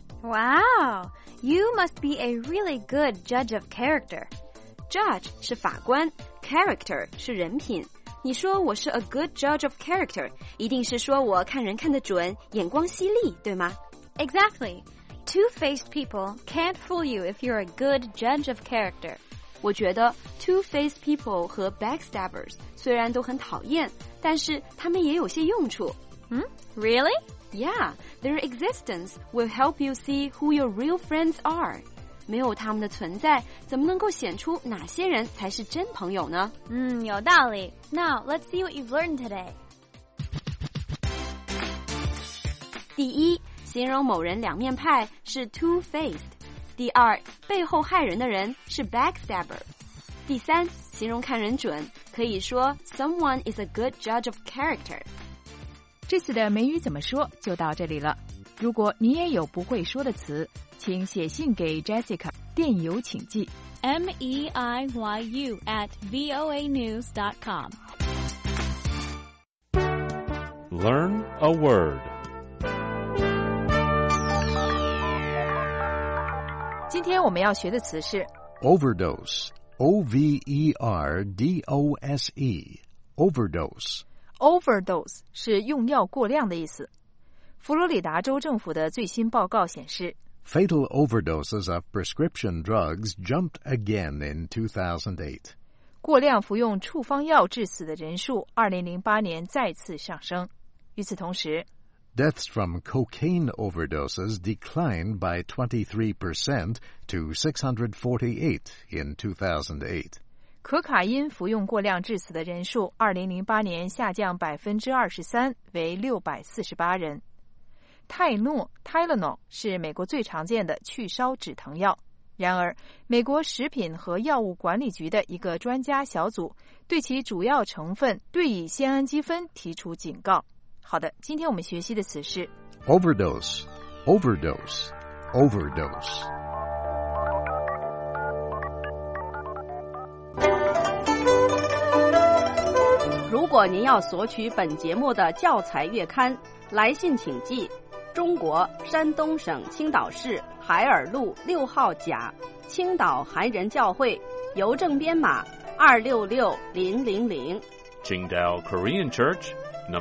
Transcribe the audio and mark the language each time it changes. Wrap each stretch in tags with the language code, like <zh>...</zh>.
<en>Wow, you must be a really good judge of character.</en> <zh>Judge 是法官， character 是人品。你说我是 a good judge of character, 一定是说我看人看得准，眼光犀利，对吗？</zh> <en>Exactly. Two-faced people can't fool you if you're a good judge of character.</en> <zh>我觉得 two-faced people 和 backstabbers 虽然都很讨厌，但是他们也有些用处。</zh> <en>Really? Yeah, their existence will help you see who your real friends are.</en> <zh>没有他们的存在，怎么能够显出哪些人才是真朋友呢？有道理。</zh> <en>Now, let's see what you've learned today.</en> <zh>第一形容某人两面派是 two-faced. 第二，背后害人的人是 backstabber. 第三，形容看人准，可以说 someone is a good judge of character. 这次的美语怎么说就到这里了。如果你也有不会说的词，请写信给 Jessica， 电邮请寄</zh> <en>meiyu@voanews.com. Learn a word.</en> <zh>今天我们要学的词是</zh> <en>overdose, O-V-E-R-D-O-S-E, overdose.</en> <zh>overdose 是用药过量的意思。佛罗里达州政府的最新报告显示，</zh> <en>Fatal overdoses of prescription drugs jumped again in 2008.</en> <zh>过量服用处方药致死的人数2008年再次上升。与此同时，</zh> <en>Deaths from cocaine overdoses declined by 23% to 648 in 2008.</en> <zh>可卡因服用过量致死的人数2008年下降 23% 为648人。泰诺 Tylenol 是美国最常见的去烧止疼药。然而美国食品和药物管理局的一个专家小组对其主要成分对乙酰氨基酚提出警告。好的，今天我们学习的词是</zh> <en>Overdose, Overdose, Overdose。</en> <zh>如果您要索取本节目的教材月刊，来信请寄中国山东省青岛市海尔路六号甲青岛韩人教会，邮政编码266000</zh> <en>Qingdao Korean Church No.</en>